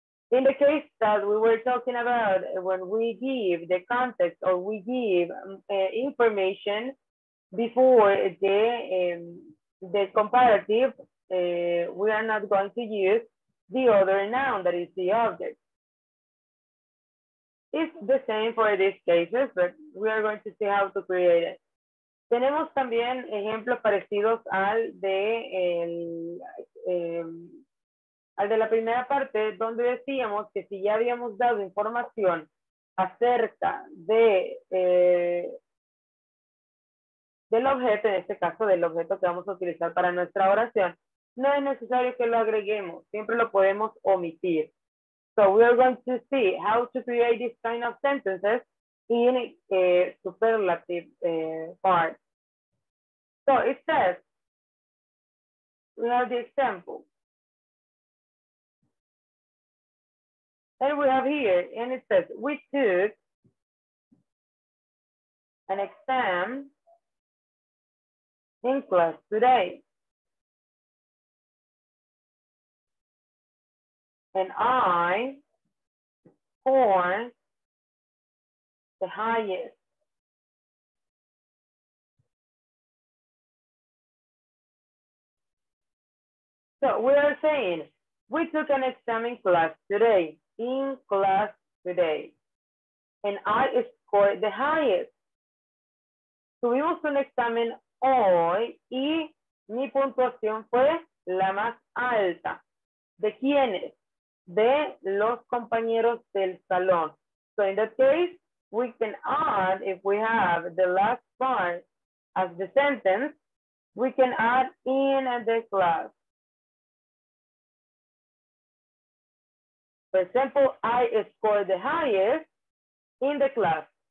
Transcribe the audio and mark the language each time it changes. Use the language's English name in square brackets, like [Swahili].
[English] In the case that we were talking about, when we give the context or we give information before the comparative, we are not going to use the other noun, that is the object. It's the same for these cases, but we are going to see how to create it. [Spanish] Tenemos también ejemplos parecidos al de al de la primera parte, donde decíamos que si ya habíamos dado información acerca de del objeto, en este caso del objeto que vamos a utilizar para nuestra oración, no es necesario que lo agreguemos, siempre lo podemos omitir. [English] So we are going to see how to create this kind of sentences in a superlative part. So it says, we have the example. And we have here, and it says, we took an exam in class today. And I scored the highest. So we are saying, we took an exam in class today. In class today, and I scored the highest. [Spanish] Tuvimos un examen hoy y mi puntuación fue la más alta. ¿De quiénes? De los compañeros del salón. [English] So in that case, we can add, if we have the last part as the sentence, we can add in the class. For example, I scored the highest in the class.